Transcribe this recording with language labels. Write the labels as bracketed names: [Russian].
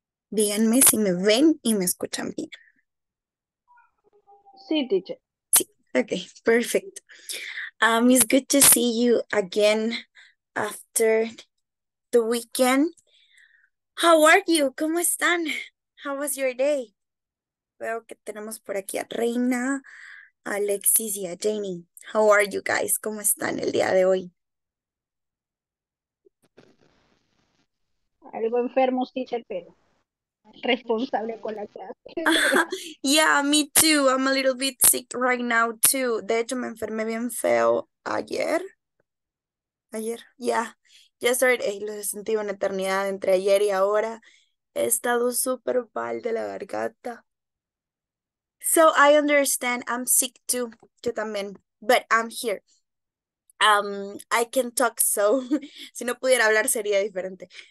[Spanish] Díganme si me ven y me escuchan bien. Sí, teacher. Sí, ok, perfecto. [English] It's good to see you again after the weekend. How are you? [Spanish] ¿Cómo están? [English] How was your day? [Spanish] Veo que tenemos por aquí a Reina, a Alexis y a Janie. [English] How are you guys? [Spanish] ¿Cómo están el día de hoy? Algo enfermo, teacher, pero responsable con la clase. [English] Yeah, me too. I'm a little bit sick right now too. [Spanish] De hecho, me enfermé bien feo ayer. Ayer, ya. Yesterday, lo he sentido una eternidad entre ayer y ahora. He estado súper mal de la garganta. [English] So I understand. I'm sick too. [Spanish] Yo también. [English] But I'm here. I can talk so. [Spanish] Si no pudiera hablar sería diferente.